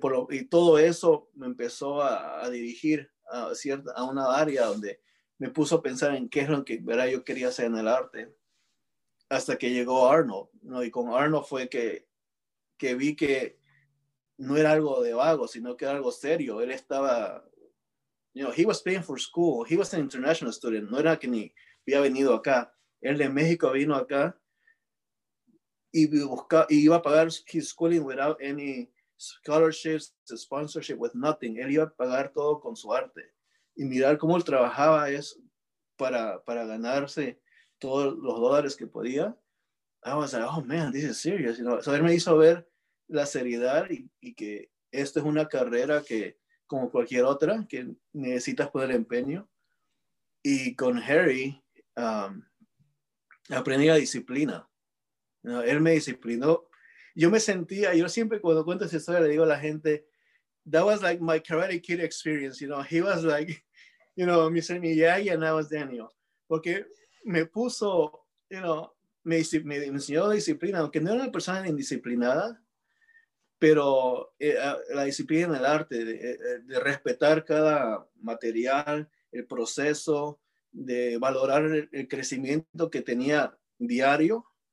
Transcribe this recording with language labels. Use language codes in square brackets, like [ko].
[es] Y todo eso me empezó a dirigir a una área donde me puso a pensar en qué es lo que ¿verdad? Yo quería hacer en el arte, hasta que llegó Arnold, ¿no? Y con Arnold fue que vi que no era algo de vago, sino que era algo serio. Él estaba, [en] you know, he was paying for school. He was an international student. [es] No era que ni había venido acá. Él de México vino acá y iba a pagar [en] his schooling without any scholarships, sponsorship, with nothing. [es] Él iba a pagar todo con su arte. Y mirar cómo él trabajaba es para ganarse todos los dólares que podía. [en] I was like, oh man, this is serious. [es] You know, so él me hizo ver la seriedad y que esto es una carrera que, como cualquier otra, que necesitas poner empeño. Y con Harry aprendí la disciplina. You know, él me disciplinó. Yo me sentía, yo siempre cuando cuento esa historia le digo a la gente, [en] that was like my Karate Kid experience. You know, he was like, you know, Mr. Miyagi, and I was Daniel. [es] Porque me puso, you know, me enseñó disciplina, aunque no era una persona indisciplinada, pero la disciplina en el arte, de respetar cada material, el proceso, de valorar el crecimiento que tenía diario,